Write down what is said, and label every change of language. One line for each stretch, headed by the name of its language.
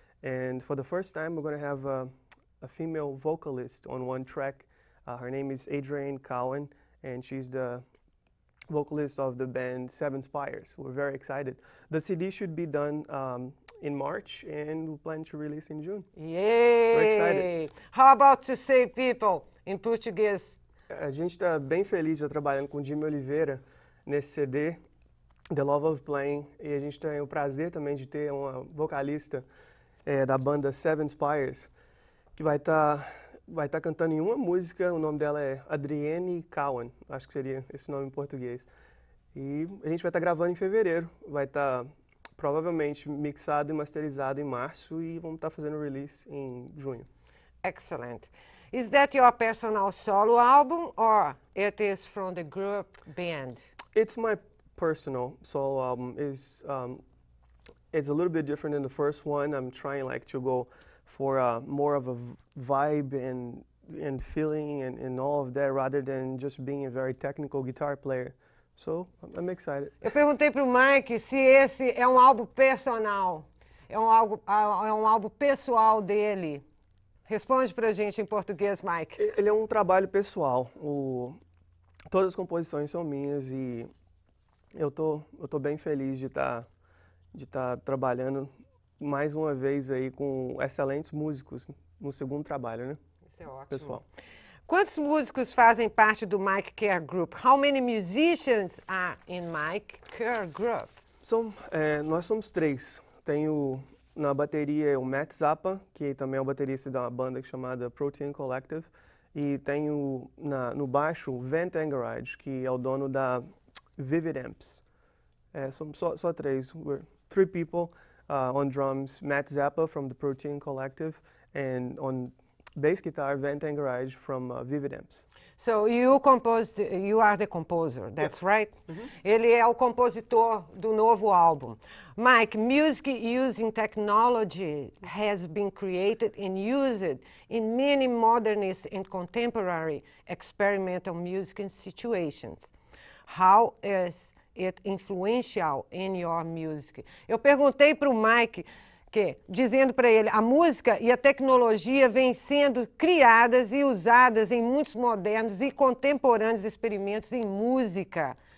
English: And for the first time, we're going to have a female vocalist on one track. Her name is Adrienne Cowan, and she's the vocalist of the band Seven Spires. We're very excited. The CD should be done in March, and we plan to release in June. We're excited. Yay! How about to say people in Portuguese?
Portuguese: A gente está bem feliz já trabalhando com o Jimmy Oliveira nesse CD, The Love of Playing, e a gente tem o prazer também de ter uma vocalista da banda Seven Spires, que vai tá cantando em uma música. O nome dela é Adrienne Cowan, acho que seria esse nome em português. E a gente vai estar gravando em fevereiro, vai estar provavelmente mixado e masterizado em março, e vamos estar fazendo release em junho.
English: Excellent. Is that your personal solo album or it is from the group band? It's my personal solo album. It's a little bit different than the first one. I'm trying like to go for more of a vibe and feeling and all of that, rather than just being a very technical guitar player. So I'm excited.
Portuguese: Eu perguntei para o Mike se esse é um álbum personal, é um álbum pessoal dele. Responde para a gente em português, Mike. Ele é um trabalho pessoal. Todas as composições são minhas, e eu tô bem feliz de tá trabalhando mais uma vez aí com excelentes músicos no segundo trabalho, né? Isso é ótimo. Pessoal. Quantos músicos fazem parte do Mike Kerr Group?
English: How many musicians are in Mike Kerr Group?
Portuguese: Nós somos três. Tenho na bateria o Matt Zappa, que também é o baterista da banda chamada Protein Collective. E tenho no baixo o Vent Engarage, que é o dono da Vivid Amps. Somos só três.
English: We're three people, on drums: Matt Zappa from the Protein Collective, and on bass guitar, Vent Engarage from Vivid Amps. So you are the composer, that's right?
Portuguese: Ele é o compositor do novo álbum.
English: Mike, music using technology has been created and used in many modernist and contemporary experimental music situations. How is it influential in your music?
Portuguese: Eu perguntei para o Mike, dizendo para ele, a música e a tecnologia vêm sendo criadas e usadas em muitos modernos e contemporâneos experimentos em música.